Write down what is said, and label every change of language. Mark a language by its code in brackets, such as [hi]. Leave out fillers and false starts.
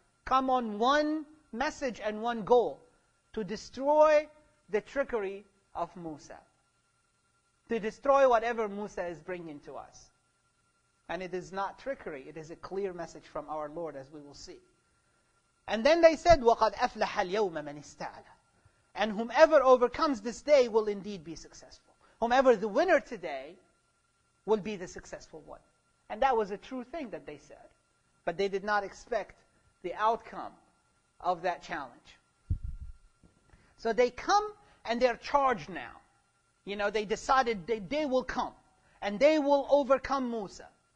[en] Come on one message and one goal, to destroy the trickery of Musa. To destroy whatever Musa is bringing to us. And it is not trickery, it is a clear message from our Lord, as we will see. And then they said, [ar] وَقَدْ أَفْلَحَ الْيَوْمَ مَنِ اسْتَعْلَى. [en] And whomever overcomes this day will indeed be successful. Whomever the winner today will be the successful one. And that was a true thing that they said. But they did not expect the outcome of that challenge. So they come and they're charged now. You know, they decided they will come and they will overcome Musa.